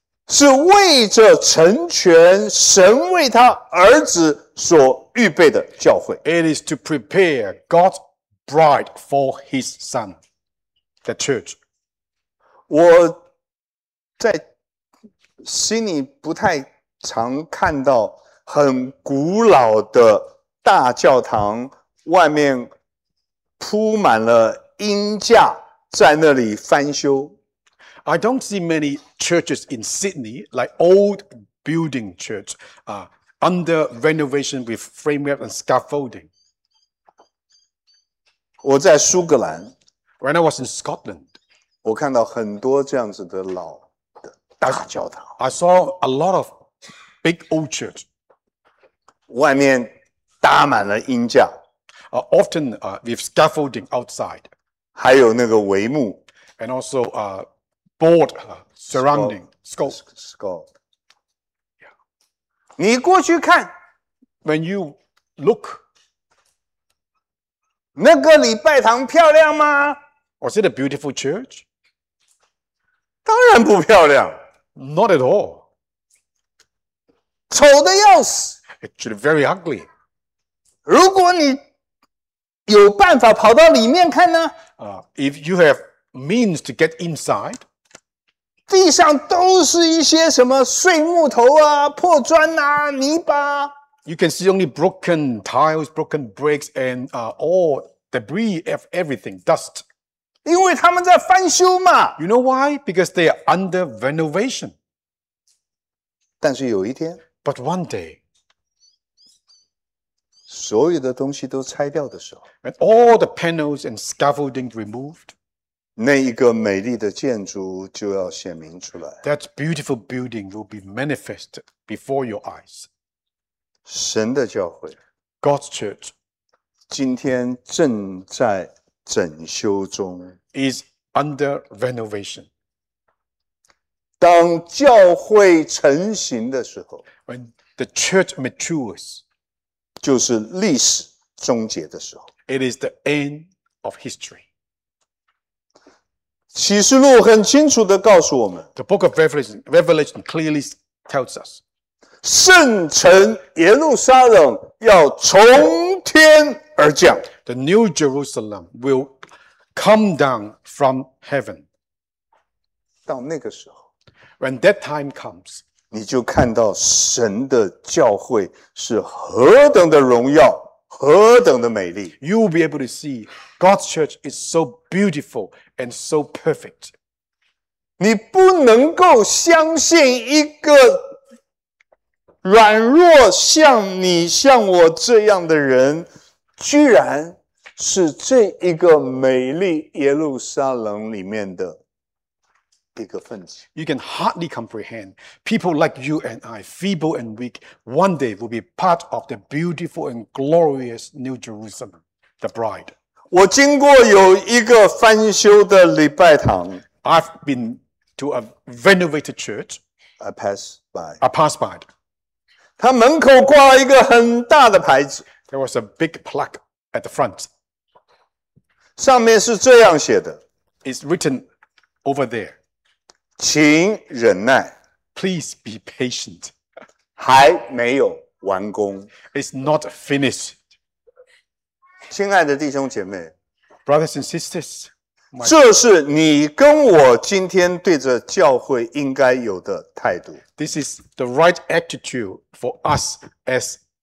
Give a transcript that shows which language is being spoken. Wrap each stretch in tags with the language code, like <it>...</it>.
<zh>是为着成全神为他儿子所预备的教会。</zh> <en>It is to prepare God's bride for his son, the church.</en> <zh>我在心里不太常看到很古老的大教堂外面铺满了鹰架在那里翻修。</zh> <en>I don't see many churches in Sydney, like old building church, under renovation with framework and scaffolding.</en> <zh>我在苏格兰</zh> <en>When I was in Scotland,</en> <zh>我看到很多这样子的老的大教堂</zh> <en>I saw a lot of big old church.</en> <zh>外面搭满了鹰架</zh> <en>Often, with scaffolding outside.</en> <zh>还有那个帷幕</zh> <en>And also, board surrounding skull. Skull. Yeah.</en> <zh>你过去看</zh> <en>When you look,</en> <zh>那个礼拜堂漂亮吗？</zh> <en>Was it a beautiful church?</en> <zh>当然不漂亮。</zh> <en>Not at all.</en> <zh>丑的要死。</zh> <en>It's very ugly.</en> <zh>如果你有办法跑到里面看呢？</zh> <en>If you have means to get inside,</en> <zh>地上都是一些什么碎木头啊、破砖啊、泥巴。</zh> <en>You can see only broken tiles, broken bricks, and all debris of everything, dust.</en> <zh>因为他们在翻修嘛。</zh> <en>You know why? Because they are under renovation.</en> <zh>但是有一天</zh> <en>，But one day，</en> <zh>所有的东西都拆掉的时候</zh> <en>，When all the panels and scaffolding removed。</en> <zh>那一个美丽的建筑就要显明出来。</zh> <en>That beautiful building will be manifest before your eyes.</en> <zh>神的教会</zh> <en>，God's church，</en> <zh>今天正在整修中</zh> <en>，is under renovation.</en> <zh>当教会成型的时候</zh> <en>，when the church matures，</en> <zh>就是历史终结的时候</zh> <en>，it is the end of history.</en> <zh>启示录很清楚地告诉我们</zh> <en>The book of Revelation clearly tells us</en> <zh>圣城耶路撒冷要从天而降</zh> <en>The new Jerusalem will come down from heaven</en> <zh>到那个时候</zh> <en>When that time comes</en> <zh>你就看到神的教会是何等的荣耀何等的美丽</zh> <en>You will be able to see God's church is so beautiful and so perfect.</en> <zh>你不能够相信一个软弱像你像我这样的人居然是这一个美丽耶路撒冷里面的一个分子</zh> <en>You can hardly comprehend people like you and I, feeble and weak, one day will be part of the beautiful and glorious New Jerusalem, the bride.</en> <zh>我经过有一个翻修的礼拜堂</zh> <en>I've been to a renovated church. I passed by.</en> <zh>他门口挂了一个很大的牌子</zh> <en>There was a big plaque at the front.</en> <zh>上面是这样写的</zh> <en>It's written over there.</en> <zh>请忍耐</zh> <en>Please be patient.</en> <zh>还没有完工</zh> <en>It's not finished.</en> <zh>亲爱的弟兄姐妹</zh> <en>Brothers and sisters,</en> <zh>这是你跟我今天对着教会应该有的态度</zh> <en>This is the right attitude for us as</en>